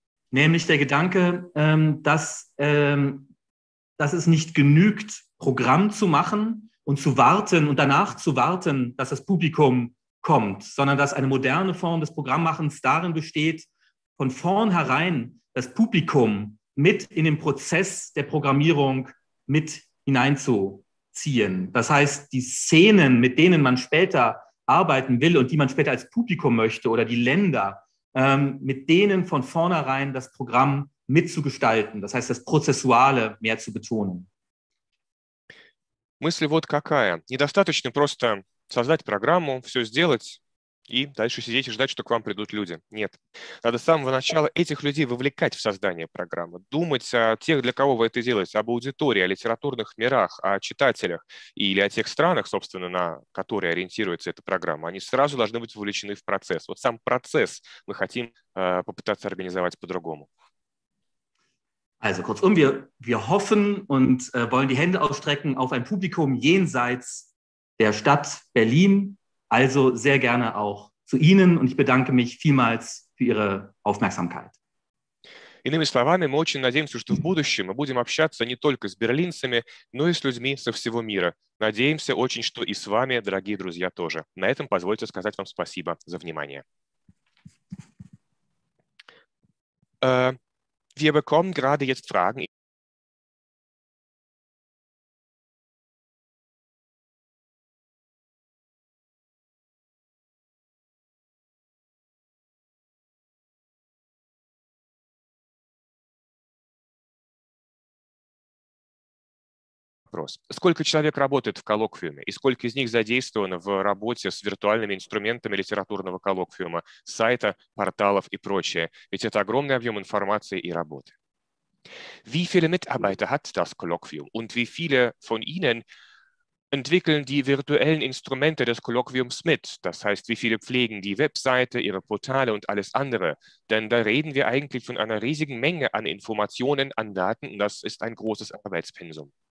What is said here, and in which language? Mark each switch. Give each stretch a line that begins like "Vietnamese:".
German: Nämlich der Gedanke, dass es nicht genügt, Programm zu machen und zu warten und danach zu warten, dass das Publikum kommt, sondern dass eine moderne Form des Programmmachens darin besteht, von vornherein das Publikum mit in den Prozess der Programmierung mit hineinzuziehen. Das heißt, die Szenen, mit denen man später arbeiten will und die man später als Publikum möchte, oder die Länder, mit denen von vornherein das Programm mitzugestalten, das heißt, das Prozessuale mehr zu betonen.
Russian: Мысль вот какая. Недостаточно просто создать программу, все сделать и дальше сидеть и ждать, что к вам придут люди. Нет. Надо с самого начала этих людей вовлекать в создание программы, думать о тех, для кого вы это делаете, об аудитории, о литературных мирах, о читателях или о тех странах, собственно, на которые ориентируется эта программа. Они сразу должны быть вовлечены в процесс. Вот сам процесс мы хотим попытаться организовать по-другому.
German: Also, kurzum, wir hoffen und wollen die Hände ausstrecken auf ein Publikum jenseits der Stadt Berlin. Also sehr gerne auch zu Ihnen und ich bedanke mich vielmals für Ihre Aufmerksamkeit.
Russian: Иными словами, мы очень надеемся, что в будущем мы будем общаться не только с берлинцами, но и с людьми со всего мира. Надеемся очень, что и с вами, дорогие друзья, тоже. На этом позвольте сказать вам спасибо за внимание.
German: Wir bekommen gerade jetzt Fragen.
Russian: Сколько человек работает в коллоквиуме и сколько из них задействовано в работе с виртуальными инструментами литературного коллоквиума, сайта, порталов и прочее? Ведь это огромный объем информации и работы.
German: Wie viele Mitarbeiter hat das Kolloquium und wie viele von Ihnen entwickeln die virtuellen Instrumente des Kolloquiums mit? Das heißt, wie viele pflegen die Webseite, ihre Portale und alles andere? Denn da reden wir eigentlich von einer riesigen Menge an Informationen, an Daten und das ist ein großes Arbeitspensum.